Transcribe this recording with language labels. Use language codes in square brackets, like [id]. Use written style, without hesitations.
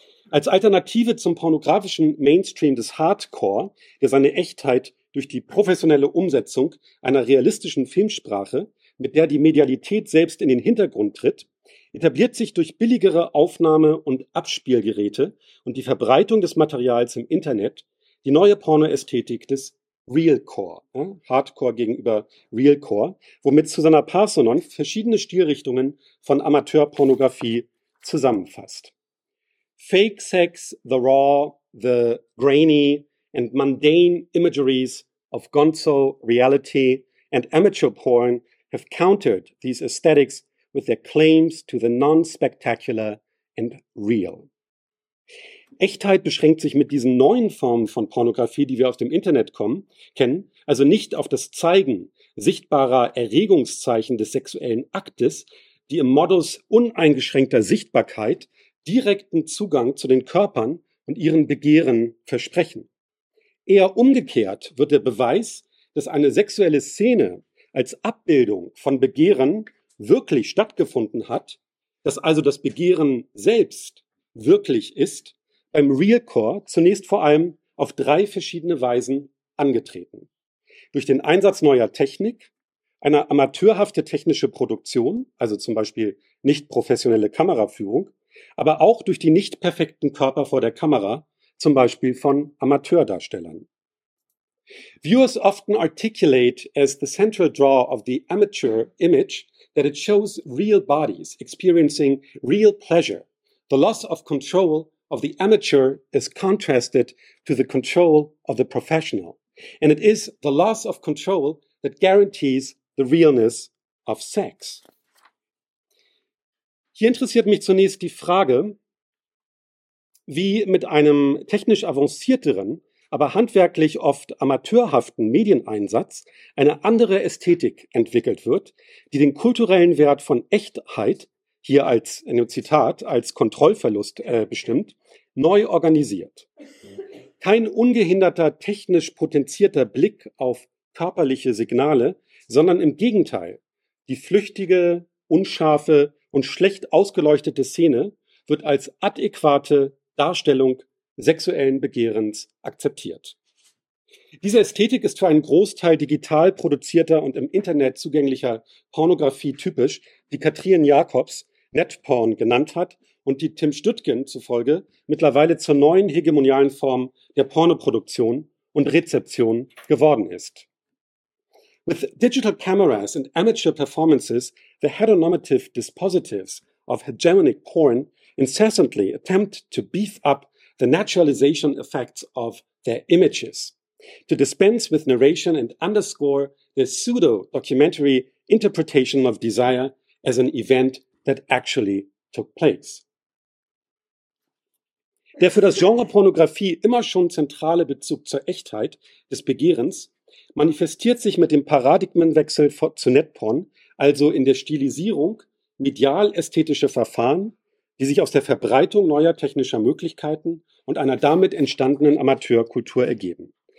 [de] Als Alternative zum pornografischen Mainstream des Hardcore, der seine Echtheit durch die professionelle Umsetzung einer realistischen Filmsprache, mit der die Medialität selbst in den Hintergrund tritt, etabliert sich durch billigere Aufnahme- und Abspielgeräte und die Verbreitung des Materials im Internet die neue Pornoästhetik des Realcore, Hardcore gegenüber Realcore, womit Susanna Parsonon verschiedene Stilrichtungen von Amateurpornografie zusammenfasst. [en] Fake sex, the raw, the grainy and mundane imageries of gonzo reality and amateur porn have countered these aesthetics with their claims to the non-spectacular and real. [de] Echtheit beschränkt sich mit diesen neuen Formen von Pornografie, die wir aus dem Internet kennen, also nicht auf das Zeigen sichtbarer Erregungszeichen des sexuellen Aktes, die im Modus uneingeschränkter Sichtbarkeit direkten Zugang zu den Körpern und ihren Begehren versprechen. Eher umgekehrt wird der Beweis, dass eine sexuelle Szene als Abbildung von Begehren wirklich stattgefunden hat, dass also das Begehren selbst wirklich ist, beim Realcore zunächst vor allem auf drei verschiedene Weisen angetreten. Durch den Einsatz neuer Technik, eine amateurhafte technische Produktion, also zum Beispiel nicht professionelle Kameraführung, aber auch durch die nicht perfekten Körper vor der Kamera, zum Beispiel von Amateurdarstellern. [en] Viewers often articulate as the central draw of the amateur image that it shows real bodies experiencing real pleasure. The loss of control of the amateur is contrasted to the control of the professional. And it is the loss of control that guarantees the realness of sex. [de] Hier interessiert mich zunächst die Frage, wie mit einem technisch avancierteren, aber handwerklich oft amateurhaften Medieneinsatz eine andere Ästhetik entwickelt wird, die den kulturellen Wert von Echtheit, hier als ein Zitat, als Kontrollverlust bestimmt, neu organisiert. Kein ungehinderter, technisch potenzierter Blick auf körperliche Signale, sondern im Gegenteil, die flüchtige, unscharfe und schlecht ausgeleuchtete Szene wird als adäquate Darstellung sexuellen Begehrens akzeptiert. Diese Ästhetik ist für einen Großteil digital produzierter und im Internet zugänglicher Pornografie typisch, die Katrin Jacobs Netporn genannt hat und die Tim Stüttgen zufolge mittlerweile zur neuen hegemonialen Form der Pornoproduktion und Rezeption geworden ist. [en] With digital cameras and amateur performances, the heteronormative dispositives of hegemonic porn incessantly attempt to beef up the naturalization effects of their images, to dispense with narration and underscore the pseudo-documentary interpretation of desire as an event that actually took place. [de] Der für das Genre Pornografie immer schon zentrale Bezug zur Echtheit des Begehrens manifestiert sich mit dem Paradigmenwechsel zu Netporn, also in der Stilisierung medial-ästhetischer Verfahren, die sich aus der Verbreitung neuer technischer Möglichkeiten und einer damit entstandenen Amateurkultur ergeben.